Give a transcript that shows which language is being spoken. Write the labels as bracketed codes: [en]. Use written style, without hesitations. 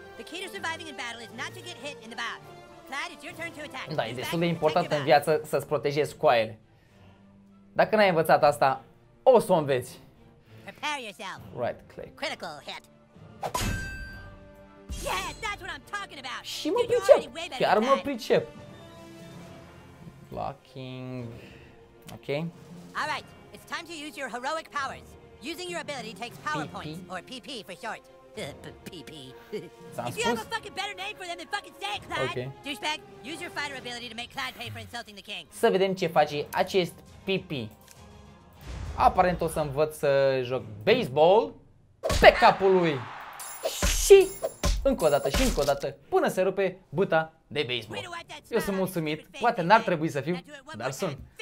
[en] The key to surviving in battle is not to get hit in the back. Clyde, it's your turn to attack. [ro] Da, e destul de important în viață să-ți protejezi coaiele. Dacă n-ai învățat asta, o să o înveți. [en] Prepare yourself. Right click. Critical hit. Yes, that's what I'm talking about. [ro] Și mă pricep. Chiar mă pricep. Blocking. Ok. [en] All right, it's time to use your heroic powers. Using your ability takes power PP. Points or PP for short. PP. [ro] S-am [en] If You have a fucking better name for them than fucking say it, Clad. Okay. Douchebag, use your fighter ability to make Clad pay for insulting the king. [ro] Să vedem ce face acest PP. Aparent o să învăț să joc baseball pe capul lui. Și încă o dată și încă o dată până se rupe buta de baseball. Eu sunt mulțumit. Poate n-ar trebui să fiu, dar sunt.